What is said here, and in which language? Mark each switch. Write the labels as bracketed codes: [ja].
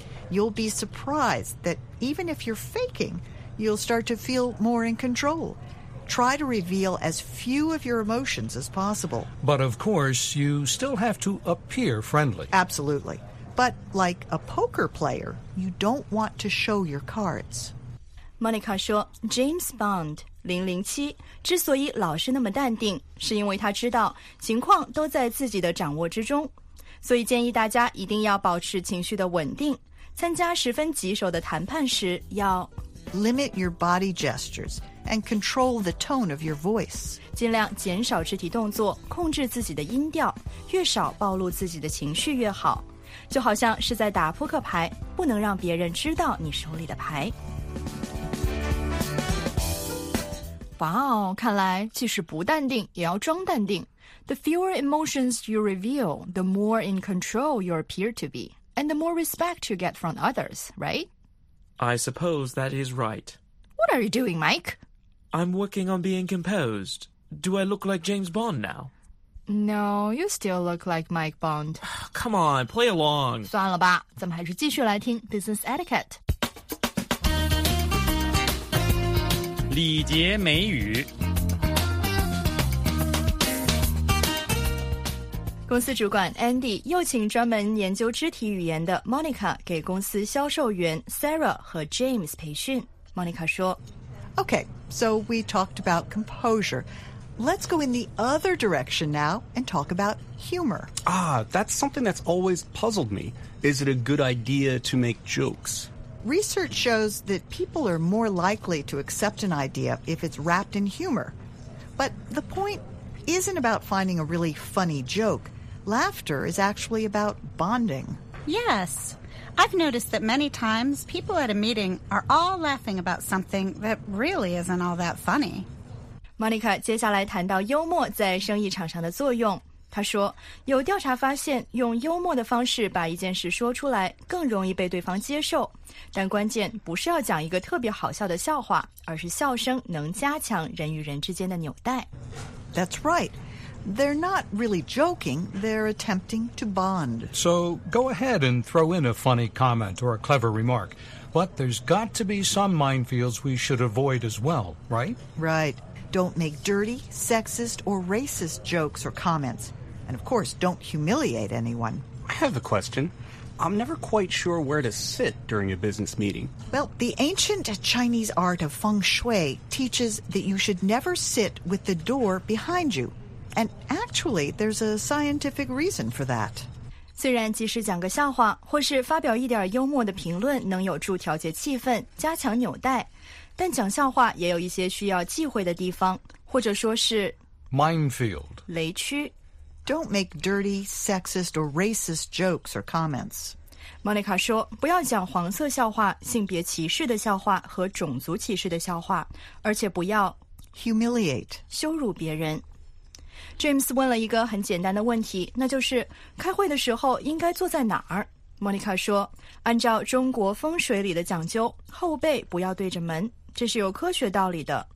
[en] You'll be surprised that even if you're faking, you'll start to feel more in control. Try to reveal as few of your emotions as possible. But of course, you still have to appear friendly. Absolutely. But like a poker player, you don't want to show your cards. [zh] Monica 说, James Bond. 007之所以老是那么淡定，是因为他知道情况都在自己的掌握之中，所以建议大家一定要保持情绪的稳定，参加十分棘手的谈判时要 [en] limit your body gestures and control the tone of your voice， [zh] 尽量减少肢体动作，控制自己的音调，越少暴露自己的情绪越好，就好像是在打扑克牌，不能让别人知道你手里的牌。哇哦，看来即使不淡定也要装淡定。 [en] The fewer emotions you reveal, the more in control you appear to be, and the more respect you get from others, right? I suppose that is right. What are you doing, Mike? I'm working on being composed. Do I look like James Bond now? No, you still look like Mike Bond. Come on, play along. [zh] 算了吧，咱们还是继续来听 Business Etiquette。礼节美语。公司主管 Andy 又请专门研究肢体语言的 Monica 给公司销售员 Sarah 和 James 培训。 Monica 说 [en] Okay, so we talked about composure. Let's go in the other direction now and talk about humor. Ah, that's something that's always puzzled me. Is it a good idea to make jokes? Research shows that people are more likely to accept an idea if it's wrapped in humor. But the point isn't about finding a really funny joke. Laughter is actually about bonding. Yes. I've noticed that many times people at a meeting are all laughing about something that really isn't all that funny. [zh] Monica 接下来谈到幽默在生意场上的作用。她说，有调查发现，用幽默的方式把一件事说出来，更容易被对方接受。但关键不是要讲一个特别好笑的笑话，而是笑声能加强人与人之间的纽带。 [en] That's right. They're not really joking. They're attempting to bond. So go ahead and throw in a funny comment or a clever remark. But there's got to be some minefields we should avoid as well, right? Right. Don't make dirty, sexist, or racist jokes or comments. And of course, don't humiliate anyone. I have a question. I'm never quite sure where to sit during a business meeting. Well, the ancient Chinese art of feng shui teaches that you should never sit with the door behind you. And actually, there's a scientific reason for that. [zh] 虽然即使讲个笑话，或是发表一点幽默的评论能有助调节气氛，加强纽带。但讲笑话也有一些需要忌讳的地方，或者说是 [en] minefield [zh] 雷区。 [en] Don't make dirty, sexist, or racist jokes or comments. [zh] Monica 说，不要讲黄色笑话、性别歧视的笑话和种族歧视的笑话，而且不要 [en] humiliate [zh] 羞辱别人。 James 问了一个很简单的问题，那就是开会的时候应该坐在哪儿。 Monica 说，按照中国风水里的讲究，后背不要对着门，这是有科学道理的。